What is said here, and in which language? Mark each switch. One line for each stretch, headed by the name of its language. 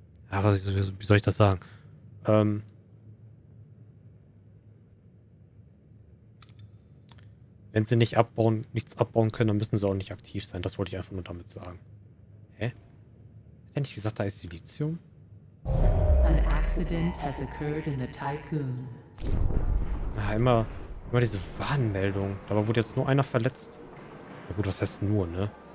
German: Ja, was ist, wie soll ich das sagen? Wenn sie nichts abbauen können, dann müssen sie auch nicht aktiv sein. Das wollte ich einfach nur damit sagen. Hä? Hat er nicht gesagt, da ist Silizium?
English: An accident has occurred in the Tycoon.
German: Na, immer diese Warnmeldung. Dabei wurde jetzt nur einer verletzt. Na gut, was heißt nur, ne?